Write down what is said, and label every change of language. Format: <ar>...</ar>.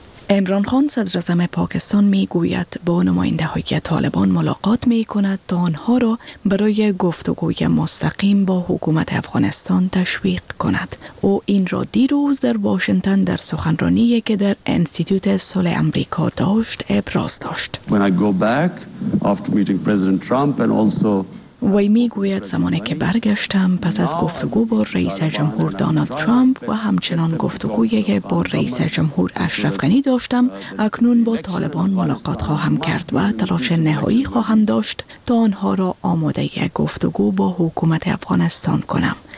<fa>عمران خان صدر اعظم پاکستان می گوید با نماینده های طالبان ملاقات می کند تا آنها را برای گفتگوی مستقیم با حکومت افغانستان تشویق کند. او این را دیروز در واشنگتن در سخنرانی که در انستیتوت صلح امریکا داشت ابراز داشت.</fa> <en>When I go back after meeting President Trump and also</en> <fa>وی می گوید زمانی که برگشتم پس از گفتگو با رئیس جمهور دونالد ترامپ و همچنان گفتگویی که با رئیس جمهور اشرف غنی داشتم، اکنون با طالبان ملاقات خواهم کرد و تلاش نهایی خواهم داشت تا آنها را آماده ی گفتگو با حکومت افغانستان کنم.</fa>